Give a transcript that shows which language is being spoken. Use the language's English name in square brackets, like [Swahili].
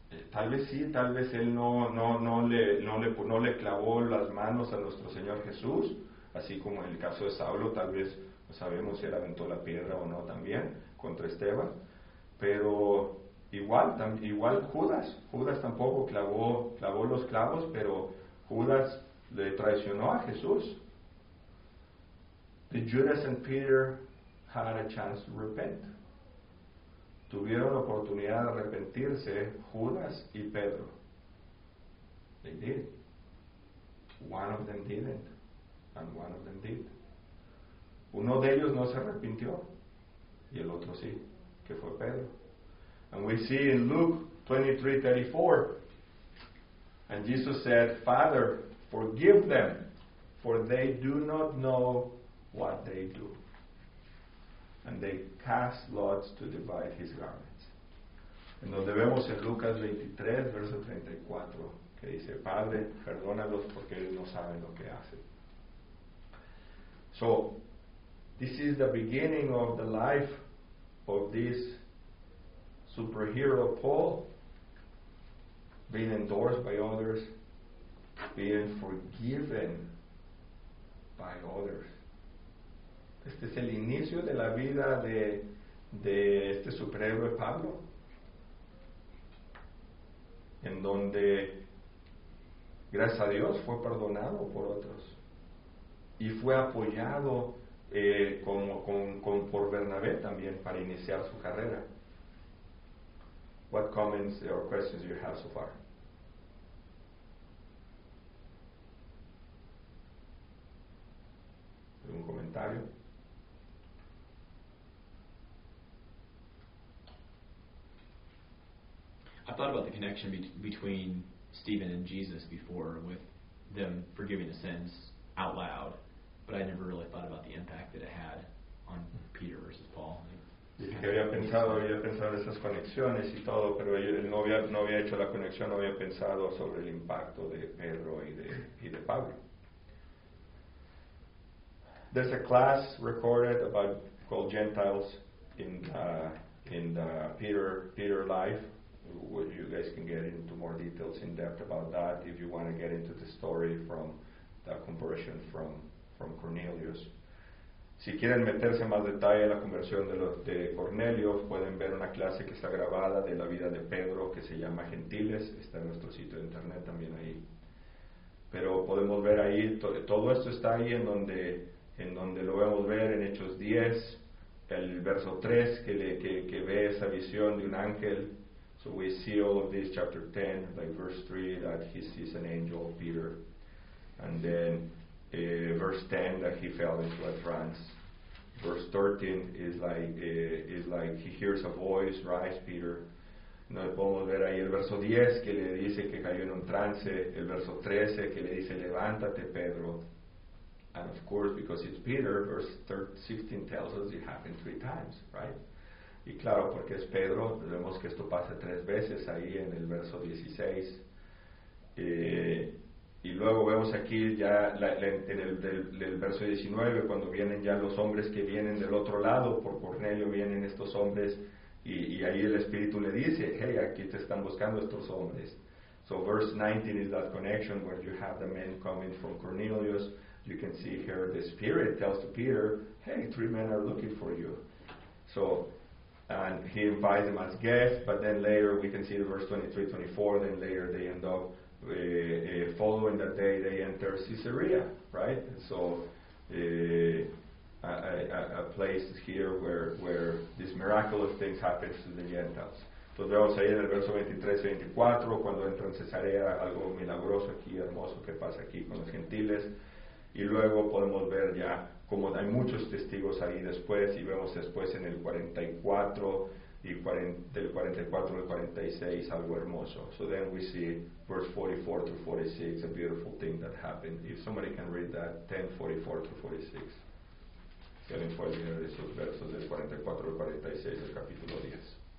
[Spanish] Tal vez sí, tal vez él no le clavó las manos a nuestro Señor Jesús, así como en el caso de Saulo, tal vez no sabemos si él aventó la piedra o no también contra Esteban, pero igual Judas tampoco clavó los clavos, pero Judas le traicionó a Jesús. [English] Did Judas and Peter had a chance to repent? [Spanish] Tuvieron la oportunidad de arrepentirse Judas y Pedro. [English] They did. One of them didn't, and one of them did. [Spanish] Uno de ellos no se arrepintió, y el otro sí, que fue Pedro. [English] And we see in Luke 23:34, and Jesus said, "Father, forgive them, for they do not know what they do." And they cast lots to divide his garments. [Spanish] En donde vemos en Lucas 23, verso 34, que dice, Padre, perdónalos porque ellos no saben lo que hacen. [English] So, this is the beginning of the life of this superhero Paul, being endorsed by others, being forgiven by others. [Spanish] Este es el inicio de la vida de este superhéroe Pablo, en donde, gracias a Dios, fue perdonado por otros y fue apoyado por Bernabé también para iniciar su carrera. [English] What comments or questions you have so far? [Spanish] ¿Algún comentario? [English] I thought about the connection between Stephen and Jesus before, with them forgiving the sins out loud, but I never really thought about the impact that it had on Peter versus Paul. [Spanish] Había pensado esas conexiones y todo, pero no había hecho la conexión, no había pensado sobre el impacto de Pedro y de Pablo. [English] There's a class recorded about called Gentiles in the Peter life. What you guys can get into more details in depth about that if you want to get into the story from that conversion from Cornelius. [Spanish] Si quieren meterse en más detalle en la conversión de Cornelio, pueden ver una clase que está grabada de la vida de Pedro que se llama Gentiles. Está en nuestro sitio de internet también ahí. Pero podemos ver ahí, todo esto está ahí en donde lo vamos a ver en Hechos 10, el verso 3 que ve esa visión de un ángel. [English] So we see all of this, chapter 10, like verse 3, that he sees an angel, Peter. And then verse 10 that he fell into a trance. Verse 13 is like he hears a voice, rise, Peter. [Spanish] No podemos ver ahí el verso 10 que le dice que cayó en un trance, el verso 13 que le dice levántate, Pedro. [English] And of course, because it's Peter, verse 16 tells us it happened three times, right? [Spanish] Y claro, porque es Pedro, vemos que esto pasa tres veces ahí en el verso 16. Y luego vemos aquí ya en el verso 19, cuando vienen ya los hombres que vienen del otro lado, por Cornelio vienen estos hombres, y ahí el Espíritu le dice, hey, aquí te están buscando estos hombres. [English] So verse 19 is that connection where you have the men coming from Cornelius. You can see here the Spirit tells to Peter, hey, three men are looking for you. So, and he invites them as guests, but then later we can see the verse 23, 24, then later they end up following that day, they enter Caesarea, right? So a place here where these miraculous things happen to the Gentiles. [Spanish] Entonces vemos ahí en el verso 23 y 24, cuando entran en Cesarea, algo milagroso aquí, hermoso que pasa aquí con los gentiles. Y luego podemos ver ya como hay muchos testigos ahí después, y vemos después en el 44 y 40, del 44 al 46 algo hermoso. [English] So then we see verse 44 to 46, a beautiful thing that happened. If somebody can read that, 10:44 to 46. [Spanish] Si alguien puede leer esos versos del 44 al 46 del capítulo 10.